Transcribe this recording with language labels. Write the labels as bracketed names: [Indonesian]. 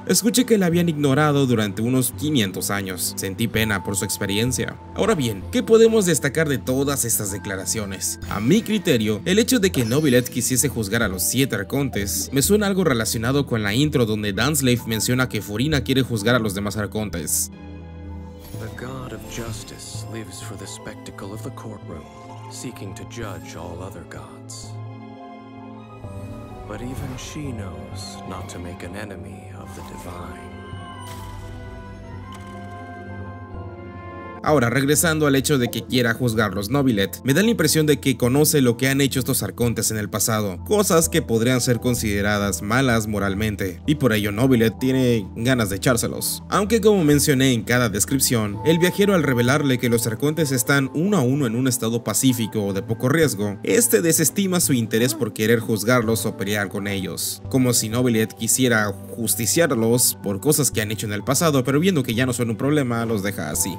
[Spanish] Escuché que la habían ignorado durante unos 500 años. Sentí pena por su experiencia. Ahora bien, ¿qué podemos destacar de todas estas declaraciones? A mi criterio, el hecho de que Novilet quisiese juzgar a los 7 arcontes me suena algo relacionado con la intro donde Dunslave menciona que Furina quiere juzgar a los demás arcontes. [English] The God of Justice lives for the spectacle of the courtroom, seeking to judge all other gods. But even she knows not to make an enemy of the divine. [Spanish] Ahora, regresando al hecho de que quiera juzgarlos Novilet, me da la impresión de que conoce lo que han hecho estos arcontes en el pasado, cosas que podrían ser consideradas malas moralmente, y por ello Novilet tiene ganas de echárselos. Aunque como mencioné en cada descripción, el viajero al revelarle que los arcontes están uno a uno en un estado pacífico o de poco riesgo, este desestima su interés por querer juzgarlos o pelear con ellos, como si Novilet quisiera justiciarlos por cosas que han hecho en el pasado, pero viendo que ya no son un problema, los deja así.